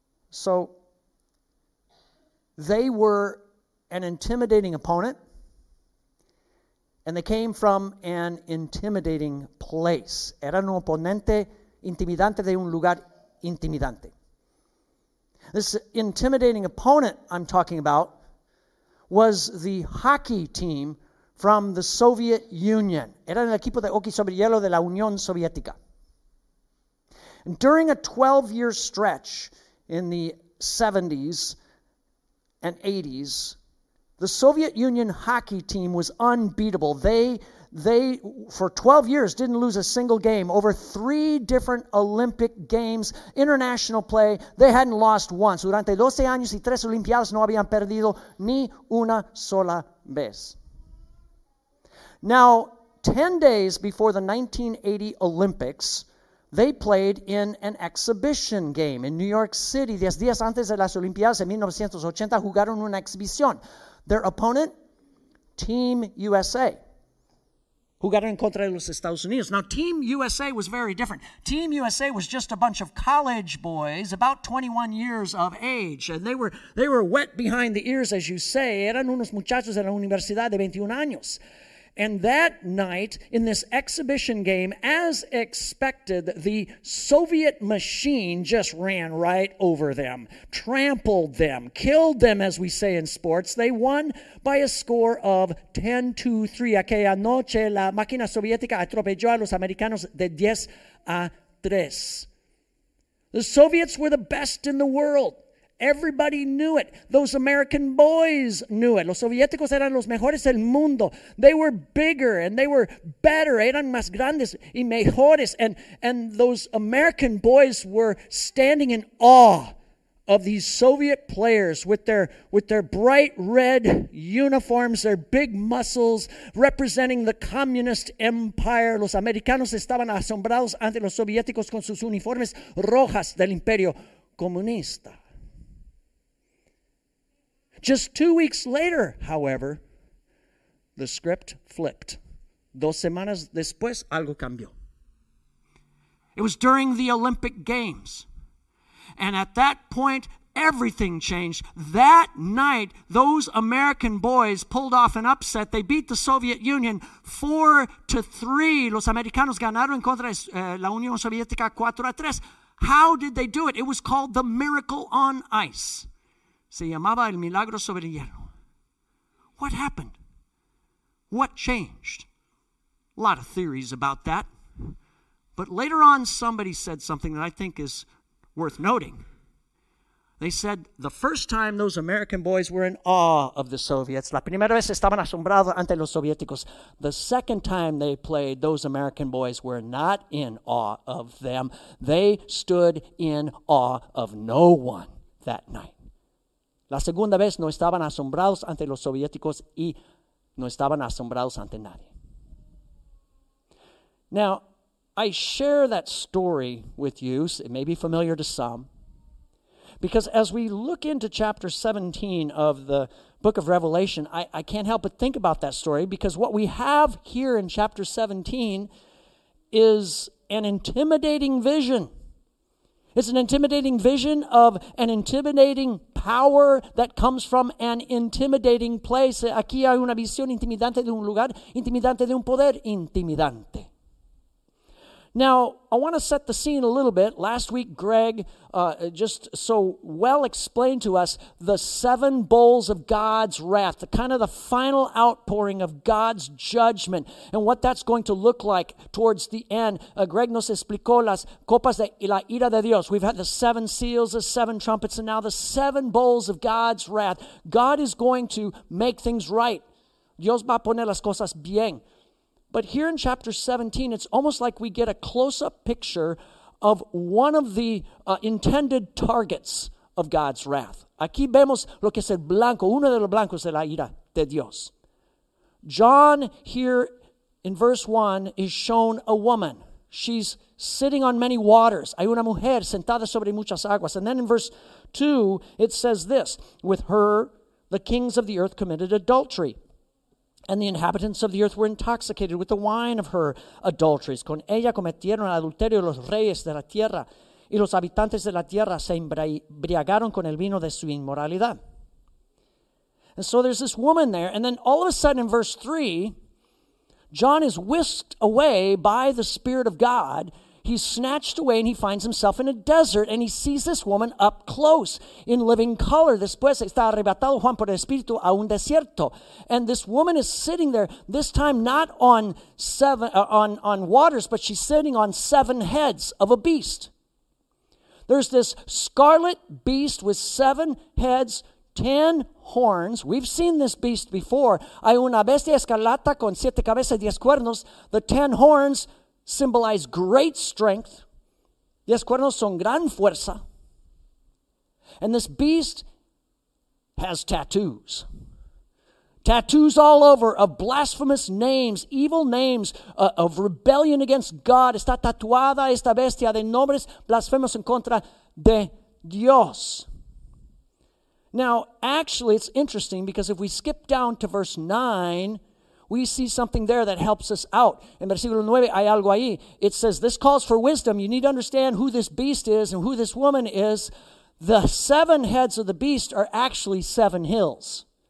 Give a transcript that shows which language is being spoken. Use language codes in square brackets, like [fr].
[en] So, they were an intimidating opponent, and they came from an intimidating place. [es] Eran un oponente intimidante de un lugar intimidante. [en] This intimidating opponent I'm talking about was the hockey team from the Soviet Union. [es] Era el equipo de hockey sobre hielo de la Unión Soviética. [en] And during a 12-year stretch in the 70s and 80s, the Soviet Union hockey team was unbeatable. They for 12 years didn't lose a single game. Over three different Olympic games, international play, they hadn't lost once. [es] Durante 12 años y tres olimpiadas no habían perdido ni una sola vez. [en] Now, 10 days before the 1980 Olympics, they played in an exhibition game in New York City. [es] 10 días antes de las olimpiadas en 1980 jugaron una exhibición. [en] Their opponent, Team USA. [es] Jugaron contra los Estados Unidos. [en] Now, Team USA was very different. Team USA was just a bunch of college boys, about 21 years of age. And they were wet behind the ears, as you say. [es] Eran unos muchachos de la universidad de 21 años. [en] And that night, in this exhibition game, as expected, the Soviet machine just ran right over them, trampled them, killed them, as we say in sports. They won by a score of 10-3. [es] Aquella noche, la máquina soviética atropelló a los americanos de 10-3. [en] The Soviets were the best in the world. Everybody knew it. Those American boys knew it. [es] Los soviéticos eran los mejores del mundo. [en] They were bigger and they were better. [es] Eran más grandes y mejores. [en] And those American boys were standing in awe of these Soviet players with their bright red uniforms, their big muscles representing the communist empire. [es] Los americanos estaban asombrados ante los soviéticos con sus uniformes rojas del imperio comunista. [en] Just 2 weeks later, however, the script flipped. [es] Dos semanas después, algo cambió. [en] It was during the Olympic Games. And at that point, everything changed. That night, those American boys pulled off an upset. They beat the Soviet Union 4-3. [es] Los americanos ganaron contra la Unión Soviética 4-3. [en] How did they do it? It was called the Miracle on Ice. [es] Se llamaba el milagro sobre hielo. [en] What happened? What changed? A lot of theories about that. But later on, somebody said something that I think is worth noting. They said the first time those American boys were in awe of the Soviets, [es] la primera vez estaban asombrados ante los soviéticos. [en] The second time they played, those American boys were not in awe of them. They stood in awe of no one that night. [es] La segunda vez no estaban asombrados ante los soviéticos y no estaban asombrados ante nadie. [en] Now, I share that story with you. It may be familiar to some. Because as we look into chapter 17 of the book of Revelation, I can't help but think about that story. Because what we have here in chapter 17 is an intimidating vision. It's an intimidating vision of an intimidating power that comes from an intimidating place. [es] Aquí hay una visión intimidante de un lugar, intimidante de un poder, intimidante. [en] Now, I want to set the scene a little bit. Last week, Greg just so well explained to us the seven bowls of God's wrath, the kind of the final outpouring of God's judgment and what that's going to look like towards the end. [es] Greg nos explicó las copas de la ira de Dios. [en] We've had the seven seals, the seven trumpets, and now the seven bowls of God's wrath. God is going to make things right. [es] Dios va a poner las cosas bien. [en] But here in chapter 17, it's almost like we get a close-up picture of one of the intended targets of God's wrath. [es] Aquí vemos lo que es el blanco, uno de los blancos de la ira de Dios. [en] John here in verse 1 is shown a woman. She's sitting on many waters. [es] Hay una mujer sentada sobre muchas aguas. [en] And then in verse 2, it says this: with her, the kings of the earth committed adultery, and the inhabitants of the earth were intoxicated with the wine of her adulteries. [es] Con ella cometieron adulterio los reyes de la tierra, y los habitantes de la tierra se embriagaron con el vino de su inmoralidad. [en] And so there's this woman there, and then all of a sudden in verse 3, John is whisked away by the Spirit of God. He's snatched away and he finds himself in a desert and he sees this woman up close in living color. [es] Después está arrebatado Juan por el Espíritu a un desierto. [en] And this woman is sitting there, this time not on waters, but she's sitting on seven heads of a beast. There's this scarlet beast with seven heads, 10 horns. We've seen this beast before. [es] Hay una bestia escarlata con siete cabezas, 10 cuernos. [en] The 10 horns symbolize great strength. [es] 10 cuernos son gran fuerza. [en] And this beast has tattoos. Tattoos all over of blasphemous names, evil names of rebellion against God. [es] Está tatuada esta bestia de nombres blasfemos en contra de Dios. [en] Now, actually, it's interesting because if we skip down to verse 9, we see something there that helps us out. [es] En versículo 9 hay algo ahí. [en] It says, this calls for wisdom. You need to understand who this beast is and who this woman is. The seven heads of the beast are actually seven hills.